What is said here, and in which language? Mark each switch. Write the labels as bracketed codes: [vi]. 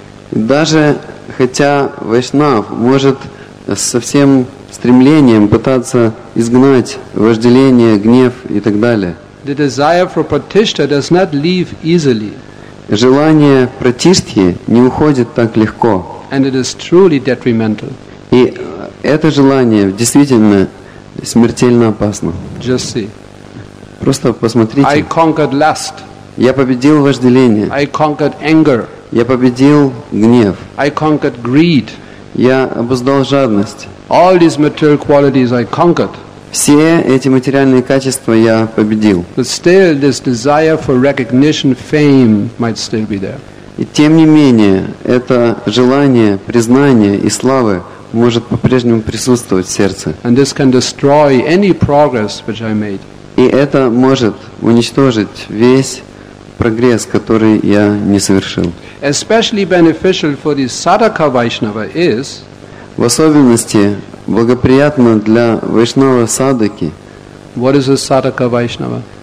[ru] Даже хотя Вайшнав может со всем стремлением пытаться изгнать вожделение, гнев и так далее. [en] The desire for pratishtha does not leave easily. [ru] Желание пратиштхи не уходит так легко. [en] And it is truly detrimental. [ru] И это желание действительно смертельно опасно. [en] Just see. [ru] Просто посмотрите. [en] I conquered lust. [ru] Я победил вожделение. [en] I conquered anger. [ru] Я победил гнев. [en] I conquered greed. [ru] Я обуздал жадность. [en] All these material qualities I conquered. [ru] Все эти материальные качества я победил. [en] But still, this desire for recognition, fame, might still be there. [ru] И тем не менее, это желание признания и славы может по-прежнему присутствовать в сердце. [en] And this can destroy any progress which I made. [ru] И это может уничтожить весь прогресс, который я не совершил. [en] Especially beneficial for the sadhaka Vaishnava is, [ru] в особенности благоприятно для вайшнава садаки. [en] What is a sadhaka Vaishnava?